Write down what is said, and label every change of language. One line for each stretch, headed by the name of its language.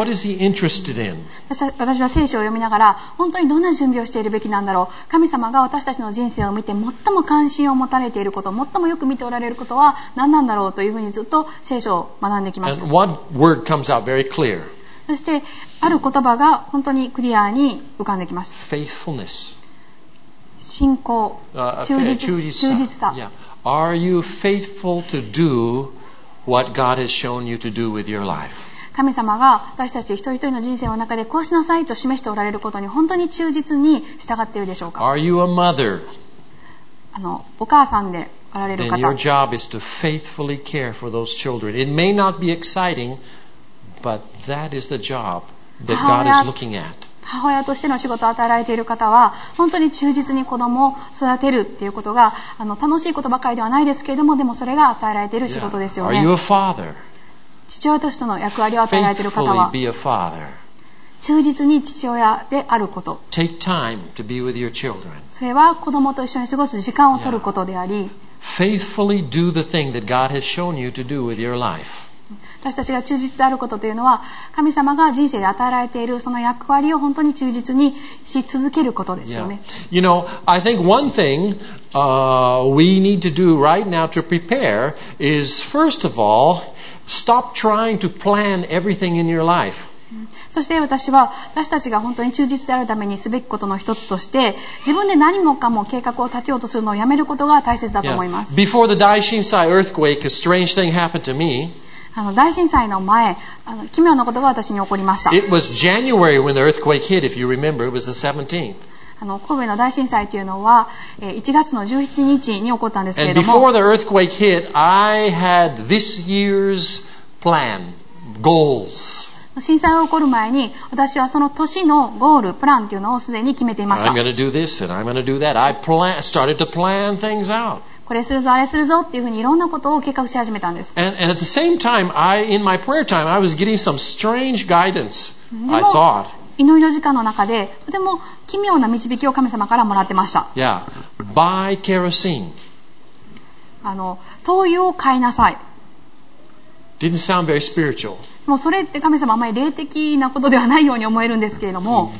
English: What is he interested in?
Japanese: 私は聖書を読みながら、本当にどんな準備をしているべきなんだろう。神様が私たちの人生を見て最も関心を持たれていること、最もよく見ておられることは何なんだろうというふうにずっと聖書を学んできました。
English: And one word comes out very clear.
Japanese: そしてある言葉が本当にクリアに浮かんできました。
English: Faithfulness.
Japanese: 信仰、忠実さ。
English: Yeah. Are you faithful to do what God has shown you to do with your life?
Japanese: 神様が私たち一人一人の人生の中でこうしなさいと示しておられることに本当に忠実に従っているでしょうか。
English: Are you a mother?
Japanese: あのお母さんでおられる方。
English: Then your job is to faithfully care for those children. It may not be exciting, but that is the job that God is looking at.
Japanese: 母親としての仕事を与えられている方は本当に忠実に子供を育てるっていうことがあの楽しいことばかりではないですけれども、でもそれが与えられている仕事ですよね。
English: Are you a father?
Japanese: 父親としての役割を与えられている方は
English: Faithfully be a father.
Japanese: 忠実に父親であること。
English: Take time to be with your children.
Japanese: それは子供と一緒に過ごす時間を取ることであり、
English: Faithfully do the thing that God has shown you to do with your life.
Japanese: 私たちが忠実であることというのは、神様が人生で与えられているその役割を本当に忠実にし続けることですよね。
English: Yeah. You know, I think one thing, we need to do right now to prepare is, first of all, stop trying to plan everything in your life.
Japanese: そして私は私たちが本当に忠実であるためにすべきことの一つとして、自分で何もかも計画を立てようとするのをやめることが大切だと思います。
English: Yeah. Before the Daishin Sai earthquake, a strange thing happened to me.
Japanese: あの大震災の前、あの奇妙なことが私に起こりました。
English: It was January when the earthquake hit, if you remember, it was the 17th.
Japanese: あの神戸の大震災というのは、1月の17日に起こったんですけれども。
English: And before the earthquake hit, I had this year's plan, goals.
Japanese: 震災が起こる前に、私はその年のゴール、プランというのをすでに決めていました。
English: I'm going to do this and I'm going to do that. I started to plan things out.
Japanese: これするぞあれするぞっていうふうにいろんなことを計画し始めたんです。
English: and at the same time, in my prayer time, I was getting some strange guidance, I thought.
Japanese: 祈りの時間の中でとても奇妙な導きを神様からもらってました。
English: Yeah, buy kerosene.
Japanese: あの灯油を買いなさい。
English: Didn't sound very spiritual.
Japanese: もうそれって神様あまり霊的なことではないように思えるんですけれども、